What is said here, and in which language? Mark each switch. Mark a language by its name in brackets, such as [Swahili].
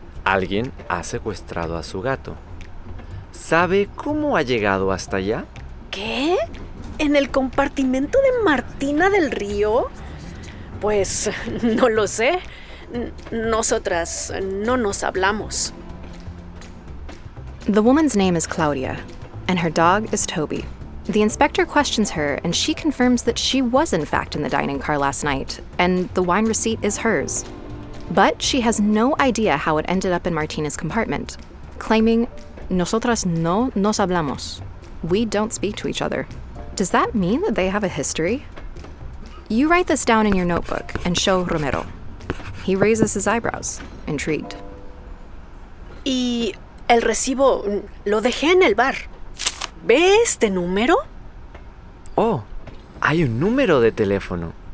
[Spanish] Alguien ha secuestrado a su gato. ¿Sabe cómo ha llegado hasta allá? ¿Qué? ¿En el compartimento de Martina del Río? Pues, no lo sé. Nosotras no nos hablamos. [English] The woman's name is Claudia, and her dog is Toby. The inspector questions her, and she confirms that she was in fact in the dining car last night, and the wine receipt is hers. But she has no idea how it ended up in Martina's compartment, claiming, [Spanish] Nosotras no nos hablamos. [English] We don't speak to each other. Does that mean that they have a history? You write this down in your notebook and show Romero. He raises his eyebrows, intrigued. [Spanish] Y el recibo lo dejé en el bar. ¿Ves este número? Oh, hay un número de teléfono.